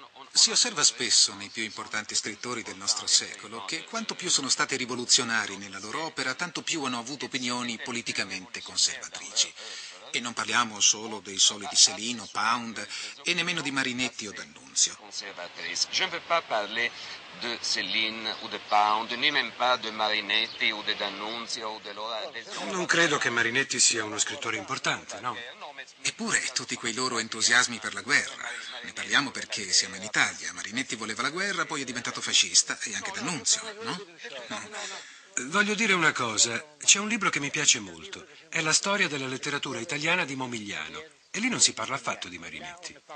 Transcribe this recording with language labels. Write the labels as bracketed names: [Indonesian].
[Italian] Si osserva spesso nei più importanti scrittori del nostro secolo che quanto più sono stati rivoluzionari nella loro opera, tanto più hanno avuto opinioni politicamente conservatrici. E non parliamo solo dei soliti Celino, Pound e nemmeno di Marinetti o D'Annunzio. [French] Je ne veux pas parler de Celine ou de Pound, ni même pas de Marinetti o de D'Annunzio o de Laura. [Italian] Non credo che Marinetti sia uno scrittore importante, no? Eppure tutti quei loro entusiasmi per la guerra. Ne parliamo perché siamo in Italia. Marinetti voleva la guerra, poi è diventato fascista e anche D'Annunzio, no? Voglio dire una cosa, c'è un libro che mi piace molto, è la storia della letteratura italiana di Momigliano, e lì non si parla affatto di Marinetti.